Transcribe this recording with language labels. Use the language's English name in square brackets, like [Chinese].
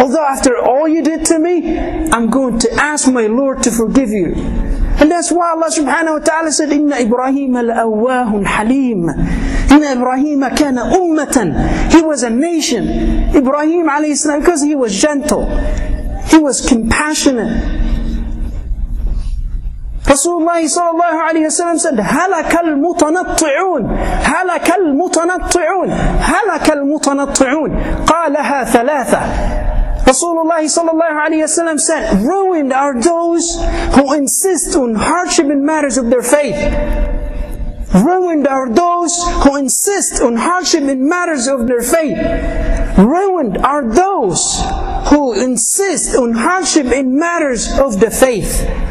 [English] Although after all you did to me, I'm going to ask my Lord to forgive you. And that's why Allah subhanahu wa ta'ala said, [Arabic] إِنَّ إِبْرَاهِيمَ لَأَوَّاهٌ حَلِيمٌ. إِنَّ إِبْرَاهِيمَ كَانَ أُمَّةً. [English] He was a nation. Ibrahim alayhi salam, because he was gentle. He was compassionate. Rasulullah sallallahu alayhi wa sallam said, [Arabic] هَلَكَ الْمُتَنَطِّعُونَ هَلَكَ الْمُتَنَطِّعُونَ هَلَكَ الْمُتَنَطِّعُونَ قَالَهَا ثَلَاثَةً. [English] Rasulullah sallallahu alayhi wa sallam said, ruined are those who insist on hardship in matters of their faith. Ruined are those who insist on hardship in matters of their faith. Ruined are those who insist on hardship in matters of the faith.